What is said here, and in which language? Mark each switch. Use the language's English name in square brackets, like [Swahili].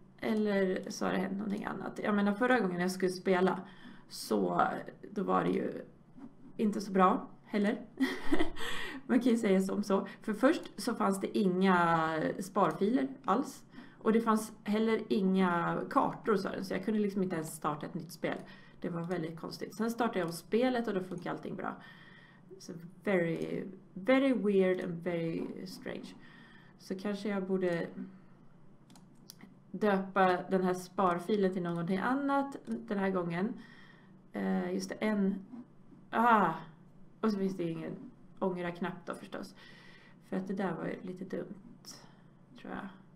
[Swedish] Eller så har det hänt någonting annat. Jag menar förra gången jag skulle spela så då var det ju inte så bra heller. Man kan ju säga som så. För först så fanns det inga sparfiler alls. Och det fanns heller inga kartor och sådär, så jag kunde liksom inte ens starta ett nytt spel. Det var väldigt konstigt. Sen startade jag om spelet och då funkar allting bra. [English] Så very, very weird and very strange. [Swedish] Så kanske jag borde döpa den här sparfilen till någonting annat den här gången. Just en... Ah! Och så finns det ingen ångra-knapp då förstås. För att det där var ju lite dumt, tror jag.